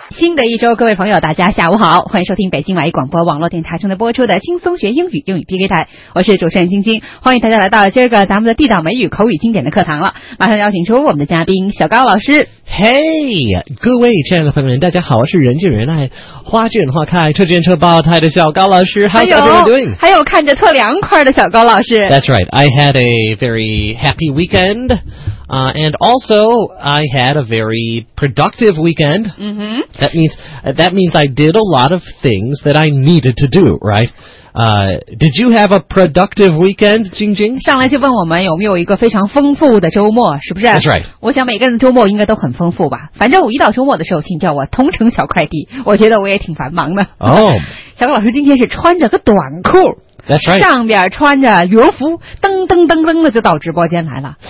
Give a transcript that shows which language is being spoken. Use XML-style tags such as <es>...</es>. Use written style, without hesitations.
<zh>新的一周，各位朋友大家下午好，欢迎收听北京文艺广播网络电台正在播出的轻松学英语英语 PK 台，我是主持人晶晶，欢迎大家来到今儿个咱们的地道美语口语经典的课堂了。马上邀请出我们的嘉宾小高老师。嘿，各位亲爱的朋友们大家好，我是人见人爱花见花开车见车爆胎的小高老师。</zh> <en>How's everyone doing?</en> <zh>还有看着特凉快的小高老师。</zh> <en>That's right, I had a very happy weekend、and also I had a very productive weekend、 mm-hmm. That means I did a lot of things that I needed to do, rightdid you have a productive weekend, 晶晶？</en> <zh>上来就问我们有没有一个非常丰富的周末，是不是</zh> <en>？That's right.</en> <zh>我想每个人的周末应该都很丰富吧。反正我一到周末的时候，请叫我同城小快递，我觉得我也挺繁忙的。</zh> <en>Oh.</en> <zh>小高老师今天是穿着个短裤。</zh> <en>That's right.</en> <zh>上边穿着羽绒服，噔噔噔噔的就到直播间来了。</zh>